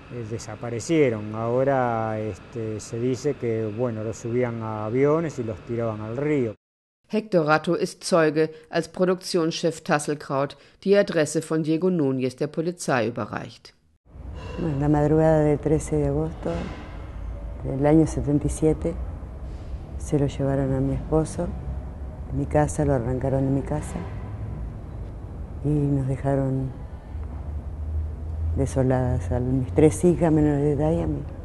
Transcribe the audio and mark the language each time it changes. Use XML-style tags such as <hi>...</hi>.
<es>Desaparecieron. Ahora se dice que bueno, los subían a aviones y los tiraban al río.</es> <de>Hector Ratto ist Zeuge, als Produktionschef Tasselkraut die Adresse von Diego Núñez der Polizei überreicht.</de> <es>En la madrugada del 13 de agosto del año 77 se lo llevaron a mi esposo de mi casa, lo arrancaron de mi casa y nos dejaron desoladas a mis 3 hijas menores de edad y a mí.</es>